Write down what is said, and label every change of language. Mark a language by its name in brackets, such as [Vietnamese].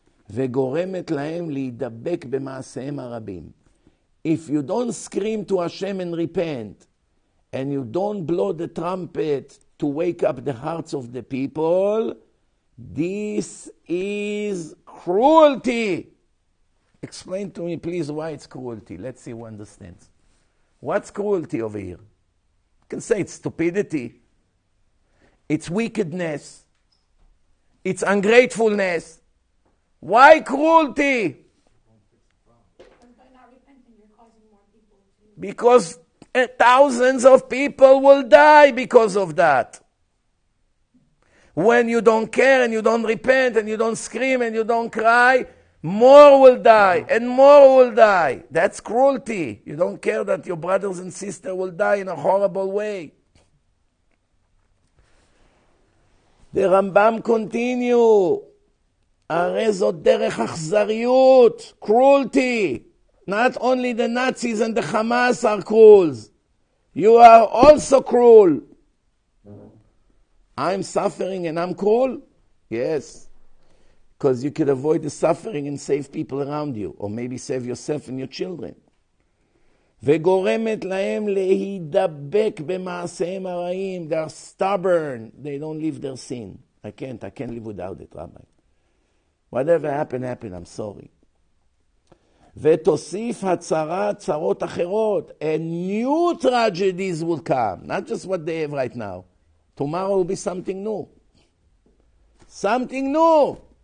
[Hebrew] וגורמת להם להידבק במעשיהם הרבים. [English] If you don't scream to Hashem and repent, and you don't blow the trumpet to wake up the hearts of the people, this is cruelty. Explain to me, please, why it's cruelty. Let's see who understands. What's cruelty over here? You can say it's stupidity. It's wickedness. It's ungratefulness. Why cruelty? Because thousands of people will die because of that. When you don't care and you don't repent and you don't scream and you don't cry, more will die and more will die. That's cruelty. You don't care that your brothers and sisters will die in a horrible way. The Rambam continues. [Hebrew] הרי זאת דרך אכזריות, cruelty. [English] Not only the Nazis and the Hamas are cruel. You are also cruel. I'm suffering and I'm cruel? Yes. Because you could avoid the suffering and save people around you. Or maybe save yourself and your children. [Hebrew] וגורמת להם להידבק במעשיהם הרעים. [English] They are stubborn. They don't live their sin. I can't live without it, Rabbi. Whatever happened, happened. I'm sorry. [Hebrew] ותוסיף הצרה צרות אחרות. [English] And new tragedies will come. Not just what they have right now. Tomorrow will be something new. Something new.